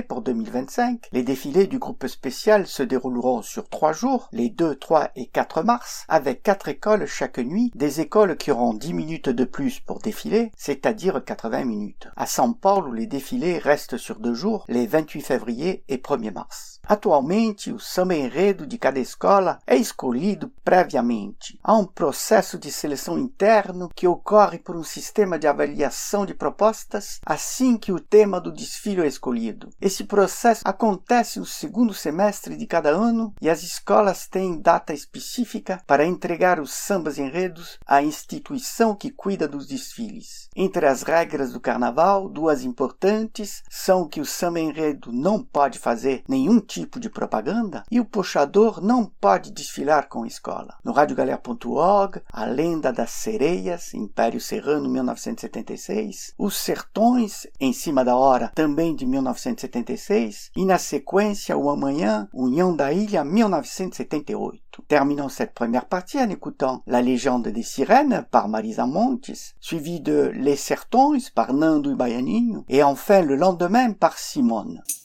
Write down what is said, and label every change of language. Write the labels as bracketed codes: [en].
[fr] prévus pour 2025. Les défilés du groupe spécial se dérouleront sur 3 jours, les 2, 3 et 4 mars, avec 4 écoles chaque nuit, des écoles qui auront 10 minutes de plus pour défiler, c'est-à-dire 80 minutes. À São Paulo, les défilés restent sur 2 jours, les 28 février et 1er mars. [pt] Atualmente, o samba enredo de cada escola é escolhido previamente. Há um processo de seleção interno que ocorre por um sistema de avaliação de propostas assim que o tema do desfile é escolhido. Esse processo acontece no segundo semestre de cada ano e as escolas têm data específica para entregar os sambas enredos à instituição que cuida dos desfiles. Entre as regras do carnaval, duas importantes são que o samba enredo não pode fazer nenhum tipo de propaganda e o puxador não pode desfilar com a escola. No radiogalea.org, A Lenda das Sereias, Império Serrano, 1976, Os Sertões, Em Cima da Hora, também de 1976, e na sequência, O Amanhã, União da Ilha, 1978. [fr] Terminons cette première partie en écoutant La Légende des Sirènes par Marisa Montes, suivi de Les Sertões par Nando e Baianinho, et enfin Le Lendemain par Simone.